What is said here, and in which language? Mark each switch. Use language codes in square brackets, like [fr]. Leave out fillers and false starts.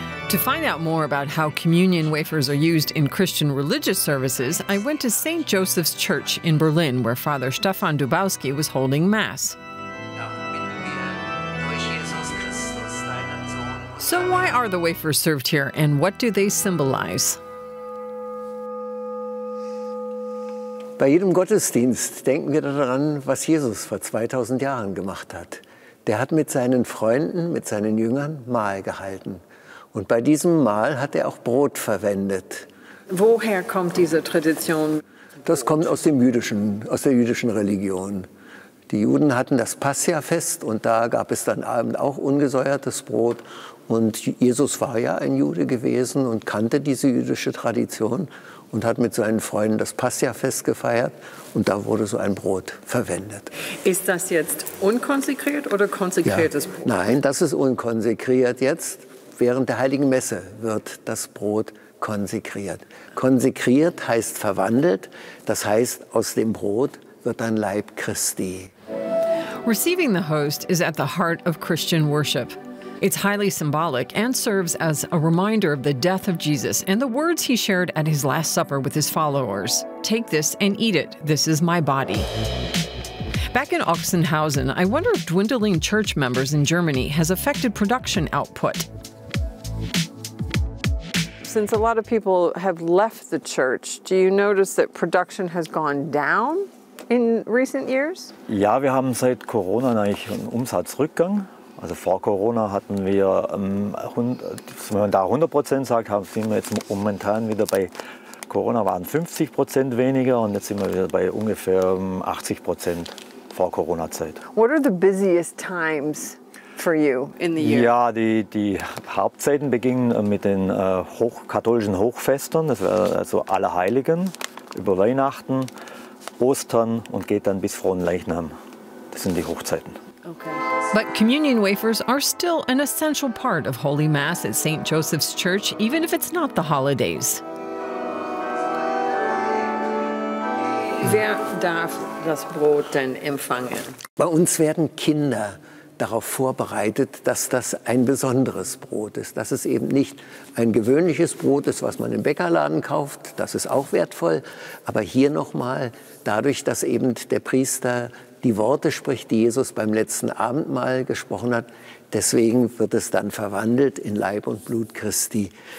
[en] To find out more about how communion wafers are used in Christian religious services, I went to St. Joseph's Church in Berlin, where Father Stefan Dubowski was holding Mass. So why are the wafers served here, and what do they symbolize? [de] Bei jedem Gottesdienst denken wir daran, was Jesus vor 2000 Jahren gemacht hat. Der hat mit seinen Freunden, mit seinen Jüngern Mahl gehalten. Und bei diesem Mahl hat er auch Brot verwendet. Woher kommt diese Tradition? Das kommt aus dem Jüdischen, aus der jüdischen Religion. Die Juden hatten das Passia-Fest und da gab es dann abends auch ungesäuertes Brot. Und Jesus war ja ein Jude gewesen und kannte diese jüdische Tradition und hat mit seinen Freunden das Passia-Fest gefeiert. Und da wurde so ein Brot verwendet. Ist das jetzt unkonsekriert oder konsekriertes Brot? Nein, das ist unkonsekriert jetzt. Während der Heiligen Messe wird das Brot konsekriert. Konsekriert heißt verwandelt, das heißt, aus dem Brot wird dann Leib Christi. [en] Receiving the host is at the heart of Christian worship. It's highly symbolic and serves as a reminder of the death of Jesus and the words he shared at his Last Supper with his followers. Take this and eat it. This is my body. Back in Ochsenhausen, I wonder if dwindling church members in Germany has affected production output. Since a lot of people have left the church, do you notice that production has gone down in recent years? [de] Ja, wir haben seit Corona eigentlich einen Umsatzrückgang. Also vor Corona hatten wir, wenn man da 100% sagt, sind wir jetzt momentan wieder bei Corona waren 50% weniger und jetzt sind wir wieder bei ungefähr 80% vor Corona-Zeit. [en] What are the busiest times for you in the year? [de] Ja, die Hauptzeiten beginnen mit den katholischen Hochfestern, das wäre also Allerheiligen, über Weihnachten, Ostern und geht dann bis Fronleichnam. Das sind die Hochzeiten. Okay. [en] But communion wafers are still an essential part of Holy Mass at St. Joseph's Church, even if it's not the holidays. [de] Wer darf das Brot denn empfangen? Bei uns werden Kinder darauf vorbereitet, dass das ein besonderes Brot ist. Dass es eben nicht ein gewöhnliches Brot ist, was man im Bäckerladen kauft. Das ist auch wertvoll. Aber hier nochmal, dadurch, dass eben der Priester die Worte spricht, die Jesus beim letzten Abendmahl gesprochen hat, deswegen wird es dann verwandelt in Leib und Blut Christi.